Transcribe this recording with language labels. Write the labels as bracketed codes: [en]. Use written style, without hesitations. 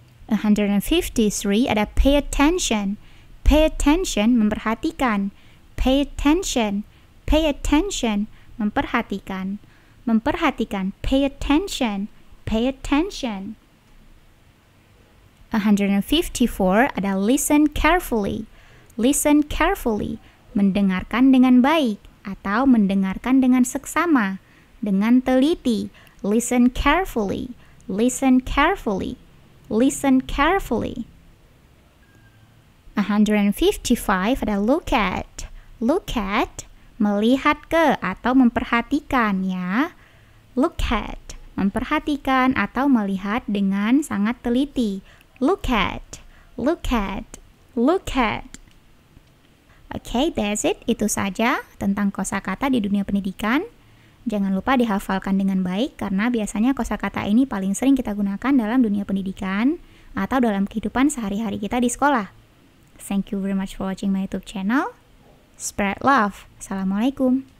[en] 153 ada pay attention, pay attention, [id] memperhatikan. [en] Pay attention, pay attention, [id] memperhatikan, memperhatikan. [en] Pay attention, pay attention. [id] 154 ada [en] listen carefully, listen carefully, [id] mendengarkan dengan baik atau mendengarkan dengan seksama, dengan teliti. [en] Listen carefully, listen carefully, listen carefully. [id] 155 ada [en] look at, look at, [id] melihat ke atau memperhatikan ya. [en] Look at, [id] memperhatikan atau melihat dengan sangat teliti. [en] Look at, look at, look at. Okay, that's it. [id] Itu saja tentang kosakata di dunia pendidikan. Jangan lupa dihafalkan dengan baik karena biasanya kosakata ini paling sering kita gunakan dalam dunia pendidikan atau dalam kehidupan sehari-hari kita di sekolah. [en] Thank you very much for watching my YouTube channel. Spread love. Assalamualaikum.